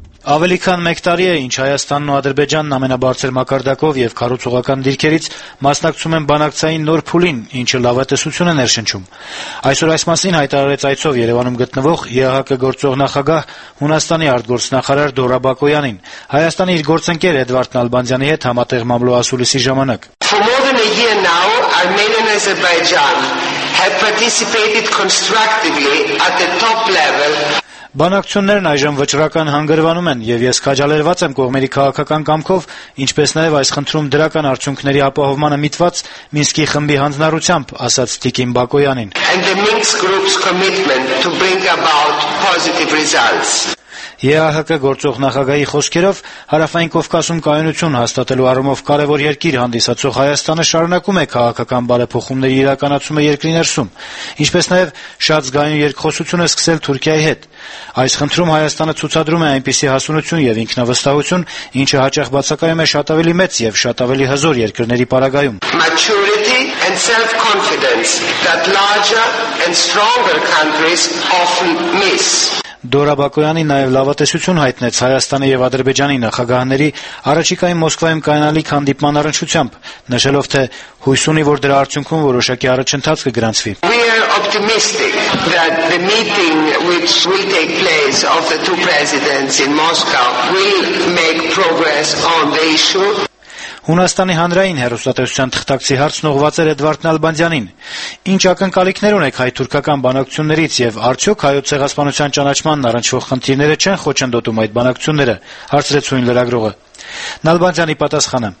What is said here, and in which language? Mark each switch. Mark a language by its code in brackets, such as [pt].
[hy] Ավելի քան 1 տարի է, ինչ Հայաստանն ու Ադրբեջանն ամենաբարձր մակարդակով եւ քարոզողական դիրքերից մասնակցում են բանակցային նոր փուլին, ինչը լավատեսություն է ներշնչում։ Այսօր այս մասին հայտարարեց այցով Երևանում գտնվող ԵԱՀԿ գործող նախագահ Հունաստանի արտգործնախարար Դորա Բակոյանին, Հայաստանի իր գործընկեր Էդվարդ Նալբանդյանի հետ համատեղ մամլոասուլիսի ժամանակ։ [en] Armenia and Azerbaijan have participated constructively at the top level. [hy] Բանակցություններն այժմ վճռական հանգրվանում են, եւ ես քաջալերված եմ կողմերի քաղաքական կամքով, ինչպես նաեւ այս խնդրում դրական արդյունքների ապահովմանը միտված Մինսկի խմբի հանձնարարությամբ, ասաց Տիկին Բակոյանին։ ԵԱՀԿ գործող նախագահի խոսքերով Հարավային Կովկասում կայունություն հաստատելու առումով կարևոր երկիր հանդիսացող Հայաստանը շարունակում է քաղաքական բարեփոխումների իրականացումը երկրի ներսում, ինչպես նաև շատ զգայուն երկխոսություն է սկսել Թուրքիայի հետ։ Այս խնդրում Հայաստանը ցուցադրում է այնպիսի հասունություն եւ ինքնավստահություն, ինչը հաճախ բացակայում է շատ ավելի մեծ եւ շատ ավելի հզոր երկրների պարագայում։ [en] Maturity and self-confidence that larger and stronger countries often miss. [hy] Դորա Բակոյանի նաև լավատեսություն հայտնեց Հայաստանի եւ Ադրբեջանի նախագահների առաջիկայի Մոսկվայում կայանալի հանդիպման առնչությամբ, նշելով թե հույս ունի, որ դրա արդյունքում որոշակի առաջընթաց կգրանցվի։ [en] We are optimistic that the meeting which will take place of the two presidents in Moscow will make progress on the issue. [hy] Հունաստանի հանրային հերոստատեսության թղթակցի հարցն ուղղված էր Էդվարդ Նալբանդյանին. Ինչ ակնկալիքներ ունեք հայ-թուրքական բանակցություններից եւ արդյոք հայոց ցեղասպանության ճանաչման առնչվող խնդիրները չեն խոչընդոտում այդ բանակցությունները, հարցրեց հույն լրագրողը։ Նալբանդյանի պատասխանը.